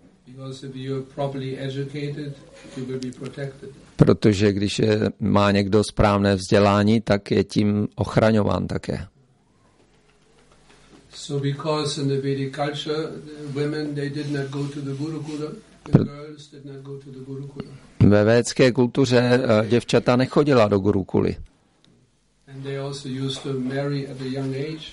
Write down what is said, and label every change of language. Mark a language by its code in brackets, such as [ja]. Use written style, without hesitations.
[en] Because if you're properly educated, you will be protected. [cs] Protože když je, má někdo správné vzdělání, tak je tím ochraňován také. [en] So because in the Vedic culture, the women they did not go to the Gurukula, the girls did not go to the Gurukula. [cs] Ve védské kultuře děvčata nechodila do Gurukuly. [en] And they also used to marry at a young age.